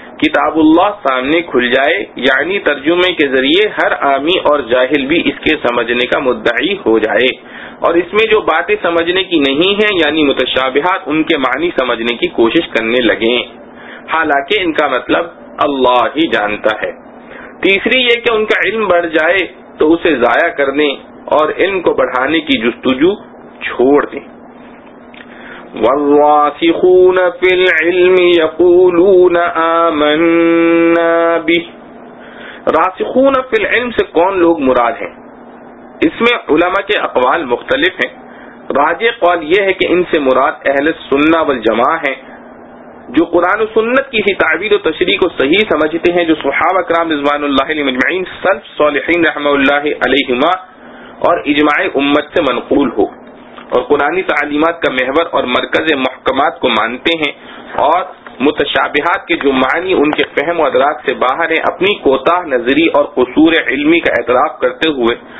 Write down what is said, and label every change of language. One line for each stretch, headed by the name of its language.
Urdu: کتاب اللہ سامنے کھل جائے، یعنی ترجمے کے ذریعے ہر عامی اور جاہل بھی اس کے سمجھنے کا مدعی ہو جائے، اور اس میں جو باتیں سمجھنے کی نہیں ہیں یعنی متشابہات، ان کے معنی سمجھنے کی کوشش کرنے لگیں، حالانکہ ان کا مطلب اللہ ہی جانتا ہے۔ تیسری یہ کہ ان کا علم بڑھ جائے تو اسے ضائع کرنے اور علم کو بڑھانے کی جستجو چھوڑ دیں۔
Arabic: والراسخون في العلم يقولون آمنا به،
Urdu: راسخون في العلم سے کون لوگ مراد ہیں؟ اس میں علماء کے اقوال مختلف ہیں، راجح قول یہ ہے کہ ان سے مراد اہل سنہ والجماع ہیں، جو قرآن و سنت کی ہی تعبیر و تشریح کو صحیح سمجھتے ہیں، جو صحابہ کرام رضوان اللہ علیہم اجمعین، سلف صالحین رحمہ اللہ علیہما اور اجماع امت سے منقول ہو، اور قرآنی تعلیمات کا محور اور مرکز محکمات کو مانتے ہیں، اور متشابہات کے جو معنی ان کے فہم و ادراک سے باہر ہیں اپنی کوتاہ نظری اور قصور علمی کا اعتراف کرتے ہوئے